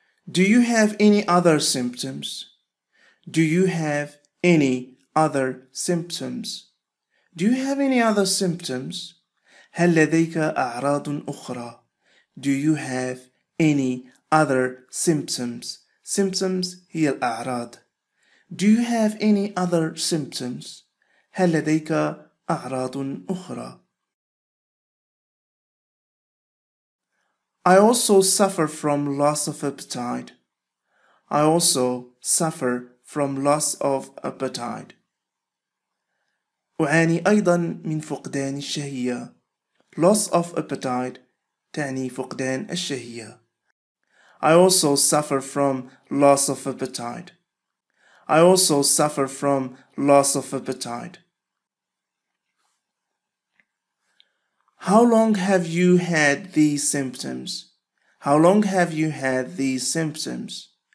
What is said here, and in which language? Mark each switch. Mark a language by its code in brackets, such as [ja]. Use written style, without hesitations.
[en] Do you have any other symptoms? Do you have any other symptoms? Do you have any other symptoms? [ar] هل لديك أعراض أخرى؟ [en] Do you have any other symptoms? [ar] Symptoms هي الأعراض. [en] Do you have any other symptoms? [ar] هل لديك أعراض أخرى؟ [en] I also suffer from loss of appetite. I also suffer from loss of appetite. [ar] أعاني أيضا من فقدان الشهية. [en] Loss of appetite [ar] تعني فقدان الشهية. [en] I also suffer from loss of appetite. I also suffer from loss of appetite. How long have you had these symptoms? How long have you had these symptoms?